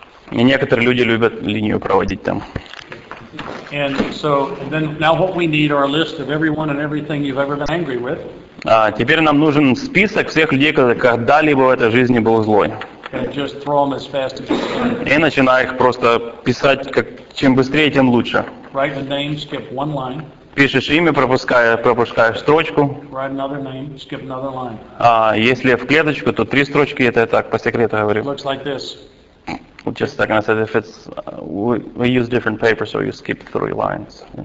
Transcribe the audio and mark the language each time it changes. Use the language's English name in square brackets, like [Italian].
[Russian] И некоторые люди любят линию проводить там. [English] And so then now what we need are a list of everyone and everything you've ever been angry with. [Russian] Теперь нам нужен список всех людей, когда-либо в этой жизни был злой. [English] And just throw them as fast as you can. [Russian] И начинай их просто писать, как чем быстрее, тем лучше. [English] Write the name, skip one line. [Russian] Пишешь имя, пропускаешь строчку. [English] Write another name, skip another line. [Russian] Если в клеточку, то три строчки, это я так по секрету говорю. [English] Looks like this. Just a second, I said if it's we use different paper, so you skip three lines.